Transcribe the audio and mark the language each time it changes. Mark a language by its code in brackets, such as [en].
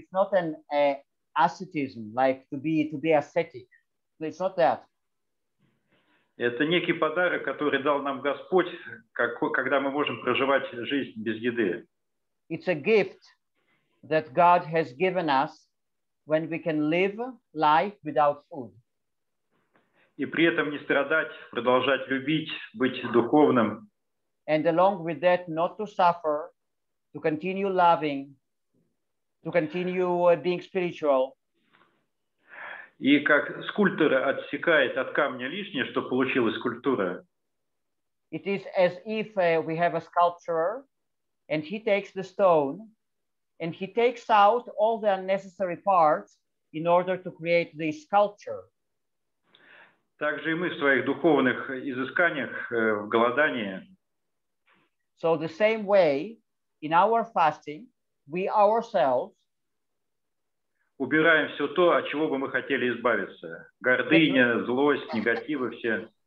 [en] It's not an ascetism, like to be ascetic. It's not that. [ru] Это некий подарок, который дал нам Господь, когда мы можем проживать жизнь без еды. [en] It's a gift that God has given us when we can live life without food. [ru] И при этом не страдать, продолжать любить, быть духовным. [en] And along with that, not to suffer, to continue loving, to continue being spiritual. [ru] И как скульптор отсекает от камня лишнее, чтобы получилась скульптура. [en] It is as if we have a sculptor, and he takes the stone, and he takes out all the unnecessary parts in order to create the sculpture. [ru] Также и мы в своих духовных изысканиях в голодании. [en] So the same way, in our fasting, we ourselves [ru] убираем все то, от чего бы мы хотели избавиться. Гордыня, злость, негативы все.